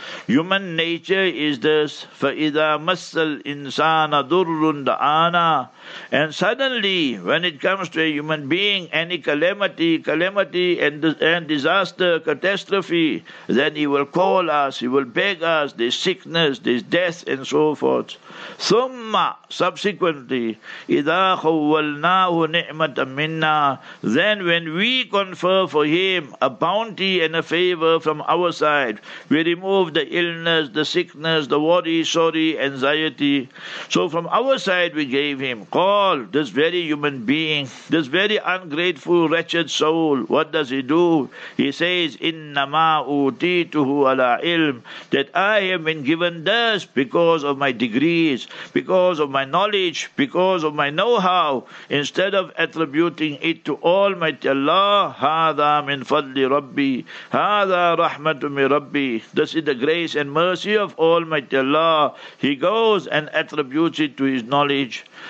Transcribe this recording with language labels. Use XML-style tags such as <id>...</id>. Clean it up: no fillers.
<en>Human nature is this.</en> <ar>فَإِذَا مَسَّ الْإِنسَانَ ضُرٌّ دَعَانَا.</ar> <en>And suddenly, when it comes to a human being, any calamity and disaster, catastrophe, then he will call us, he will beg us, this sickness, this death, and so forth.</en> <ar>ثُمَّ</ar> <en>subsequently,</en> <ar>إِذَا خَوَّلْنَاهُ نِعْمَةً مِنَّا.</ar> <en>Then when we confer for him a bounty and a favor from our side, we remove the illness, the sickness, the worry, sorry, anxiety. So from our side we gave him. Call this very human being, this very ungrateful, wretched soul, what does he do? He says,</en> <ar>إِنَّمَا أُوتِيتُهُ عَلَىٰ عِلْمٍ.</ar> <en>That I have been given this because of my degrees, because of my knowledge, because of my know-how, instead of attributing it to Almighty Allah.</en> <ar>هَذَا مِنْ فَضْلِ رَبِّي. هَذَا رَحْمَةُ مِنْ رَبِّي.</ar> <en>This is the grace and mercy of Almighty Allah. He goes and attributes it to his knowledge.</en>